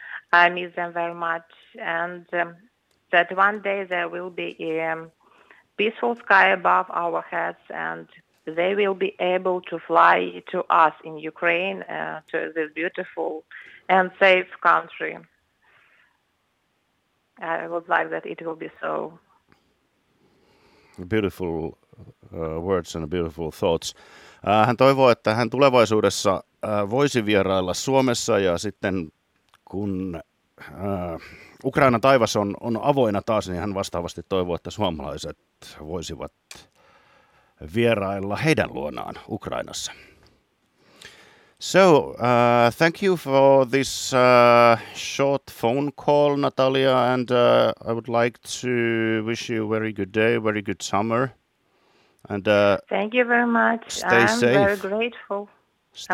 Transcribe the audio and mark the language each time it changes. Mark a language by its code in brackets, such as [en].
[en] I miss them very much, and that one day there will be a peaceful sky above our heads, and they will be able to fly to us in Ukraine, to this beautiful and safe country. I would like that it will be so. Beautiful words and beautiful thoughts. [fi] Hän toivoo, että hän tulevaisuudessa voisi vierailla Suomessa, ja sitten kun Ukraina taivas on avoina taas, niin hän vastaavasti toivoo, että suomalaiset voisivat vierailla heidän luonaan Ukrainassa. [en] So thank you for this short phone call, Natalia, and I would like to wish you a very good day, very good summer. And thank you very much. Stay I'm safe. Very grateful. Stay